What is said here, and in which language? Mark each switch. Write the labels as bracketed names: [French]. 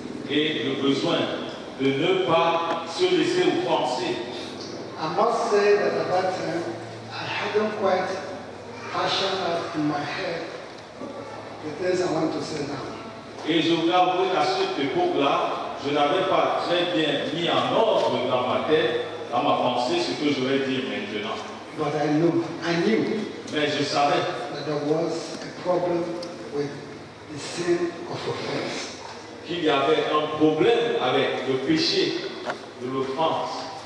[French] Et le besoin de ne pas se laisser offenser. [English] I must say that at that time, I hadn't quite fashioned up in my head the things I want to say now. [French] Et je vous avoue qu'à cette époque-là, je n'avais pas très bien mis en ordre dans ma tête, dans ma pensée, ce que je vais dire maintenant. [English] But I knew. [French] Mais je savais [English] that there was a problem with the sin of offense. [French] Qu'il y avait un problème avec le péché de l'offense.